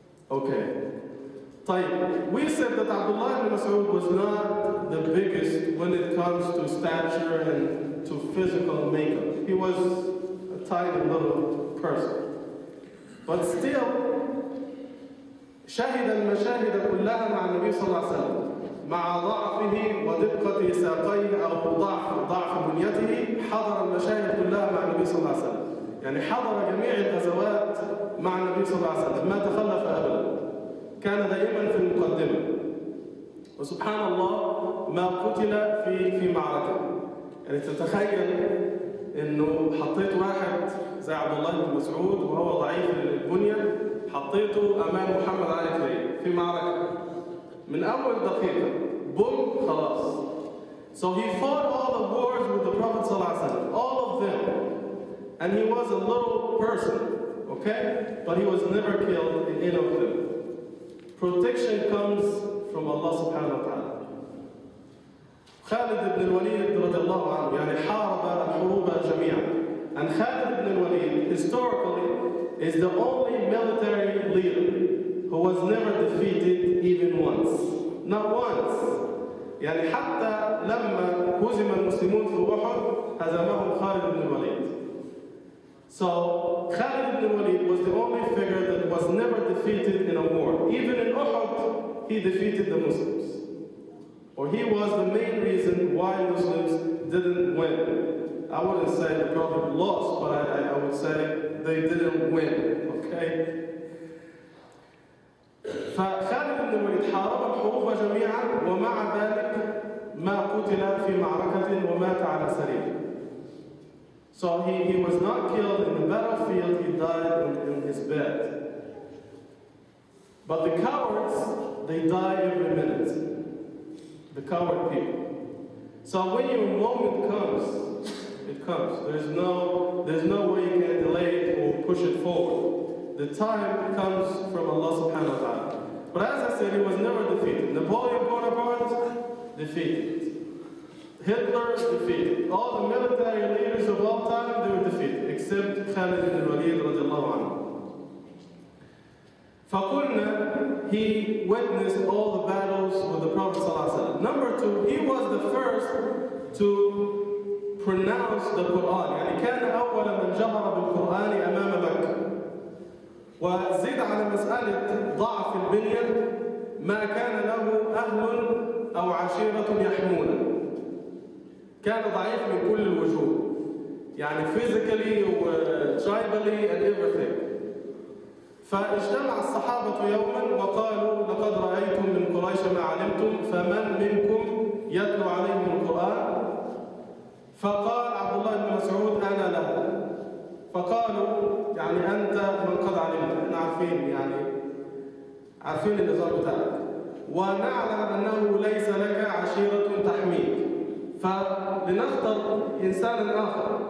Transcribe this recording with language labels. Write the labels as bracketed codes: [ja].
[en] Okay. [ar] طيب. [en] We said that Abdullah ibn Mas'ud was not the biggest when it comes to stature and to physical makeup. He was a tiny little person. But still, [ar] شهد المشاهد كلها مع النبي صلى الله عليه وسلم. مع ضعفه ودقة ساقيه أو ضعف بنيته حضر المشاهد كلها مع النبي صلى الله عليه وسلم. يعني حضر جميع الغزوات مع النبي صلى الله عليه وسلم، ما تخلف أبدا، كان دائما في المقدمة. وسبحان الله ما قتل في معركة. يعني تتخيل إنه حطيت واحد زي عبد الله بن مسعود وهو ضعيف البنية، حطيته أمام محمد عليه الصلاة والسلام في معركة. من أول دقيقة بوم خلاص. [en] So he fought all the wars with the Prophet صلى الله عليه وسلم, all of them, and he was a little person, okay, but he was never killed in any of them. Protection comes from Allah سبحانه وتعالى. [ar] خالد بن الوليد رضي الله عنه يعني حارب الحروب جميعا. [en] And Khalid ibn al-Walid historically is the only military leader who was never defeated even once. Not once. [ar] يعني حتى لما هزم المسلمون في أحد هزمهم خالد بن الوليد. [en] So Khalid ibn al-Walid was the only figure that was never defeated in a war. Even in Uhud, he defeated the Muslims. Or he was the main reason why Muslims didn't win. I wouldn't say the Prophet lost, but I would say they didn't win, okay? [ar] فخالد بن الوليد حارب الحروب جميعا ومع ذلك ما قتل في معركة ومات على سرير. [en] So he was not killed in the battlefield, he died in his bed. But the cowards, they die every minute. The coward people. So when your moment comes, it comes. There's no way you can delay it or push it forward. The time comes from Allah subhanahu wa ta'ala. But as I said, he was never defeated. Napoleon Bonaparte, defeated. Hitler, defeated. All the military leaders of all time, they were defeated, except Khalid ibn al-Walid radiallahu anhu. [ar] فَقُلْنَا [en] he witnessed all the battles with the Prophet صلى الله عليه وسلم. Number two, he was the first to pronounce the Qur'an. [ar] يعني كان أولا من جهر بالقرآن أمام بك. وزيد على مسألة ضعف البنية ما كان له أهل أو عشيرة يحمون. كان ضعيف من كل الوجوه. يعني [en] physically وtribally and everything. [ar] فاجتمع الصحابة يوما وقالوا لقد رأيتم من قريش ما علمتم فمن منكم يتلو عليهم القرآن؟ فقال عبد الله بن مسعود أنا له. فقالوا يعني أنت من قد علمت, احنا عارفين يعني عارفين النظام بتاعك ونعلم أنه ليس لك عشيرة تحميك فلنختر إنسانا آخر.